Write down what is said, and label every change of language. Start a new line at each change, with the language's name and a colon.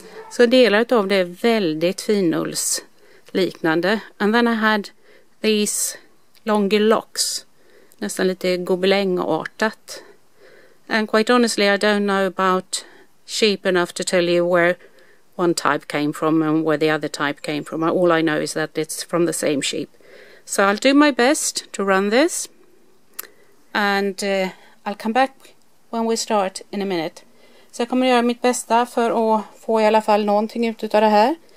Swedish: So delar utav det är väldigt finulls liknande.
English: And then I had these longer locks.
Swedish: Nästan lite gobelängartat.
English: And quite honestly I don't know about sheep enough to tell you where one type came from and where the other type came from. All I know is that it's from the same sheep. So I'll do my best to run this. And I'll come back when we start in a minute.
Swedish: Så jag kommer göra mitt bästa för att få i alla fall någonting ut av det här.